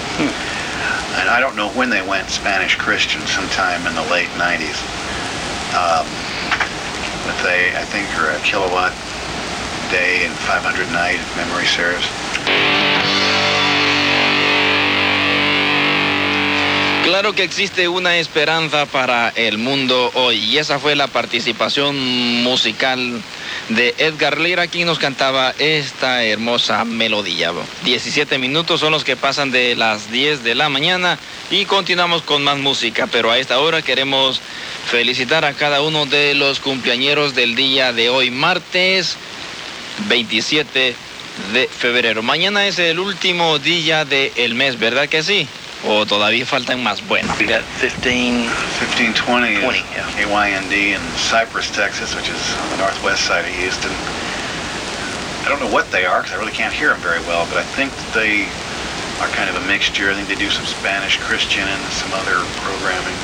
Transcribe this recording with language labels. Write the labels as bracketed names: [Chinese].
[English] Hmm. And I don't know when they went Spanish Christian, sometime in the late 90s. But they, I think, are a kilowatt day and 500 night, if memory serves. [Spanish] Claro que existe una esperanza para el mundo hoy, y esa fue la participación musical de Edgar Lira, quien nos cantaba esta hermosa melodía. 17 minutos son los que pasan de las 10 de la mañana y continuamos con más música, pero a esta hora queremos felicitar a cada uno de los cumpleañeros del día de hoy, martes 27 de febrero. Mañana es el último día del mes, ¿verdad que sí? ¿O todavía faltan más? Bueno. [English] We got 1520 KYND in Cypress, Texas, which is on the northwest side of Houston. I don't know what they are because I really can't hear them very well, but I think that they are kind of a mixture. I think they do some Spanish Christian and some other programming.